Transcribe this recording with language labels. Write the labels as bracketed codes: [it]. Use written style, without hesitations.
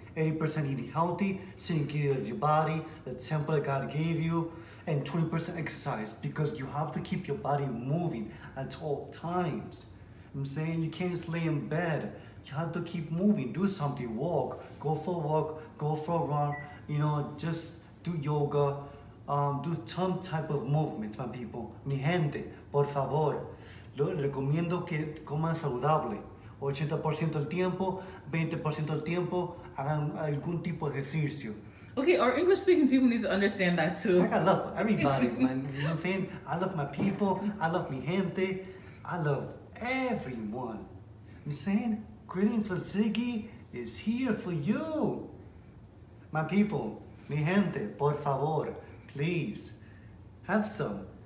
[en] 80% eating healthy, taking care of your body, the temple that God gave you, and 20% exercise, because you have to keep your body moving at all times. I'm saying you can't just lay in bed. You have to keep moving, do something, walk, go for a walk, go for a run, you know, just do yoga, do some type of movement, my people. [es] Mi gente, por favor, lo recomiendo que coman saludable. 80% del tiempo, 20% del tiempo, hagan algún tipo de ejercicio. [en] Okay, our English-speaking people need to understand that too. Like, I love everybody, man. You know what I'm saying? I love my people. I love [es] mi gente. [en] I love everyone. I'm saying, Grilling for Ziggy is here for you. My people, [es] mi gente, por favor, [en] please, have some.